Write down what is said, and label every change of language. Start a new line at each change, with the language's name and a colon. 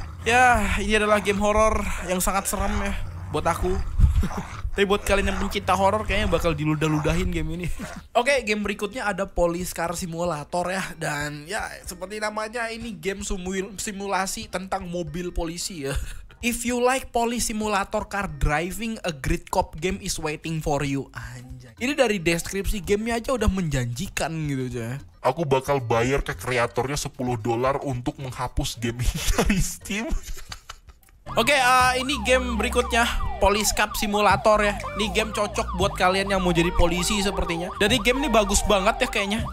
Indonesian: Ya, ini adalah game horror yang sangat seram ya. Buat aku. Tapi buat kalian yang pencinta horror, kayaknya bakal diludah-ludahin game ini. Oke, game berikutnya ada Police Car Simulator ya. Dan ya, seperti namanya, ini game simulasi tentang mobil polisi ya.
English: If you like police simulator car driving, a great cop game is waiting for you.
Indonesian: Anjay. Ini dari deskripsi gamenya aja udah menjanjikan gitu aja. Aku bakal bayar ke kreatornya $10 untuk menghapus game ini dari Steam. Oke, ini game berikutnya, Police Cop Simulator ya. Ini game cocok buat kalian yang mau jadi polisi sepertinya. Dari game ini bagus banget ya kayaknya.